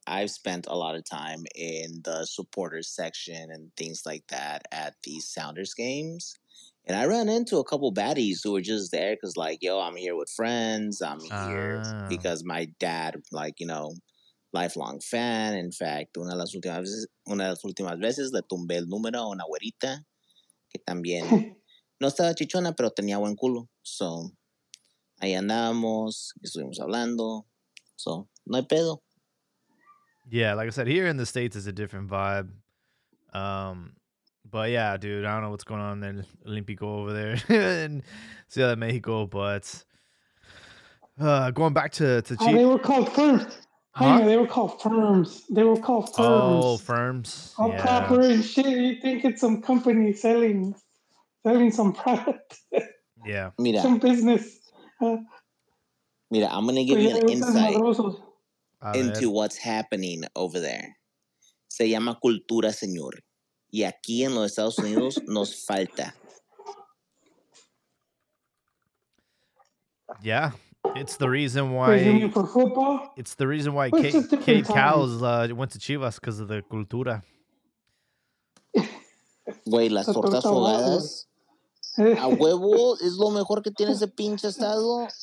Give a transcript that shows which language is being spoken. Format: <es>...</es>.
<en>I've spent a lot of time in the supporters section and things like that at these Sounders games. And I ran into a couple baddies who were just there because, like, yo, I'm here with friends. I'm here because my dad, like, you know, lifelong fan. In fact,</en> <es>una de las últimas veces le tumbé el número a una güerita que también no estaba chichona, pero tenía buen culo. So, ahí andamos, estuvimos hablando. So, no hay pedo.</es> <en>Yeah, like I said, here in the States is a different vibe. But yeah, dude, I don't know what's going on in Olympico over there in Ciudad de Mexico, but going back to Chile. They were called firms. Huh? Yeah, they were called firms. They were called firms. Oh, firms. All proper and shit. You think it's some company selling some product. Yeah.</en> <es>Mira.</es> <en>Some business.</en> <es>Mira,</es> <en>I'm going to give you an insight into what's happening over there.</en> <es>Se llama cultura, señor. Y aquí en los Estados Unidos nos falta.</es> <en>Yeah, it's the reason why. For football? It's the reason why Kate Cowles went to Chivas because of the cultura.</en> <es>Güey, las tortas ahogadas. A huevo es lo mejor que tiene ese pinche estado.</es>